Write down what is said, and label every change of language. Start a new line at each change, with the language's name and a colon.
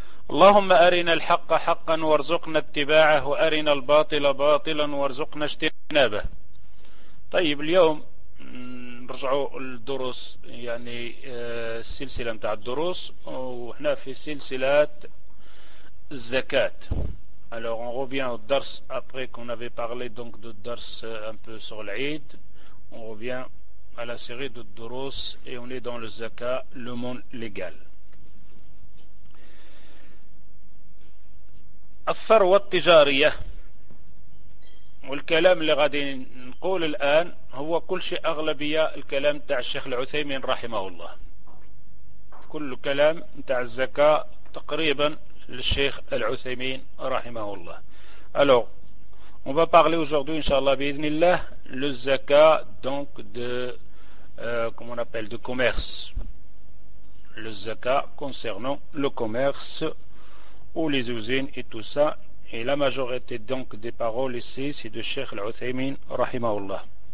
Arabic: اللهم أرنا الحق حقا وارزقنا اتباعه، وأرنا الباطل باطلا وارزقنا اجتنابه. طيب، اليوم نرجعوا للدروس، يعني السلسلة متاع الدروس، وهنا في سلسلة الزكاة.
French: Alors on revient au درس après qu'on avait parlé donc du درس un peu sur العيد. On revient à la série de الدروس et on est dans le زكاة, le monde légal.
Arabic: الثروة التجارية، والكلام اللي غادي نقول الآن هو كل شيء أغلبية الكلام تاع الشيخ العثيمين رحمه الله، كل كلام تاع الزكاة تقريبا للشيخ العثيمين رحمه الله.
French: Alors on va parler aujourd'hui inshallah بإذن الله le زكاة donc de comment on appelle de commerce, le زكاة concernant le commerce ou les usines et tout ça. Et la majorité donc des paroles ici, c'est de Cheikh Al-Uthaymin, rahimahullah.